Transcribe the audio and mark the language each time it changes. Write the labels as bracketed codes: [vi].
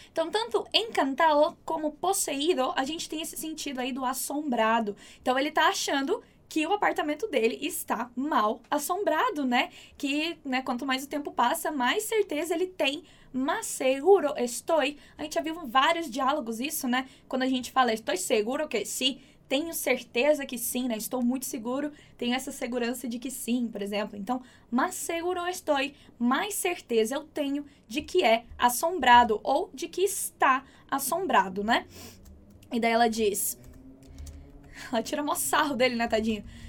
[pt] Então, tanto encantado como poseído, a gente tem esse sentido aí do assombrado. Então, ele tá achando que o apartamento dele está mal assombrado, né? Que, né, quanto mais o tempo passa, mais certeza ele tem. [es] Mas seguro estoy. [pt] A gente já viu vários diálogos isso, né? Quando a gente fala, [es] estoy seguro que sí. [pt] Tenho certeza que sim, né? Estou muito seguro. Tenho essa segurança de que sim, por exemplo. Então, [es] mas seguro estoy. [pt] Mais certeza eu tenho de que é assombrado ou de que está assombrado, né? E daí ela diz, ela tira mó sarro dele, né, tadinho?